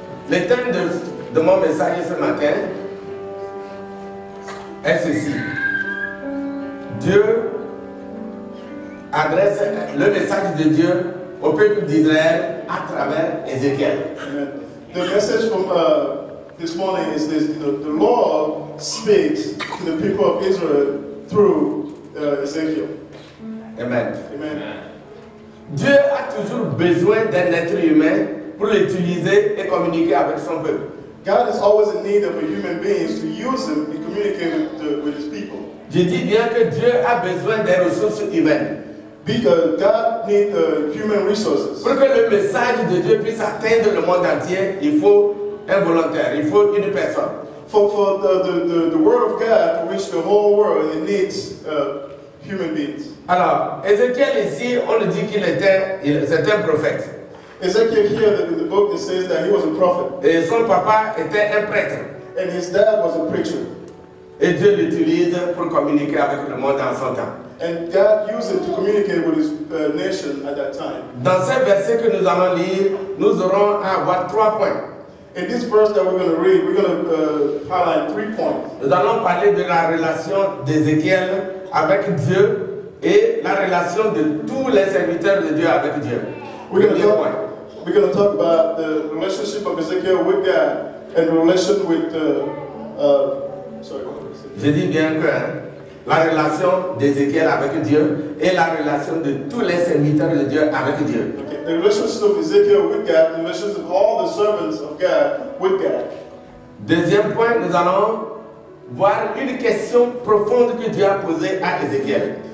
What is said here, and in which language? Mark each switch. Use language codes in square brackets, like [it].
[fr] Le thème de mon message ce matin est ceci. Dieu adresse le message de Dieu au peuple d'Israël à travers Ézéchiel. [en] The message from this morning is this: the Lord speaks to the people of Israel through Ezekiel. Amen. Amen. [fr] Dieu a toujours besoin d'un être humain pour l'utiliser et communiquer avec son peuple. [en] God is always in need of a human being to use him and communicate with his people. [fr] Je dis bien que Dieu a besoin des ressources humaines. [en] Because God needs human resources. [fr] Pour que le message de Dieu puisse atteindre le monde entier, il faut un volontaire, il faut une personne. [en] For the word of God to reach the whole world, it needs human beings. [fr] Alors, Ézéchiel ici, on le dit qu'il était, c'est un prophète. [en] Ézéchiel here, the book that says that he was a prophet. [fr] Et son papa était un prêtre. [en] And his dad was a preacher. [fr] Et Dieu l'utilise pour communiquer avec le monde en son temps. [en] And God used him to communicate with his nation at that time. [fr] Dans ce verset que nous allons lire, nous aurons à avoir trois points. [en] In this verse that we're going to read, we're going to highlight three points. [fr] Nous allons parler de la relation d'Ézéchiel avec Dieu et la relation de tous les serviteurs de Dieu avec Dieu. [en] We're going to talk about the relationship of Ezekiel with God and the relation with [fr] Je dis bien que la relation d'Ézéchiel avec Dieu et la relation de tous les serviteurs de Dieu avec Dieu. [en] Okay. The relationship of Ezekiel with God, the relationship of all the servants of God with God. [fr] Deuxième point, nous allons voir une question profonde que Dieu a posée à Ézéchiel.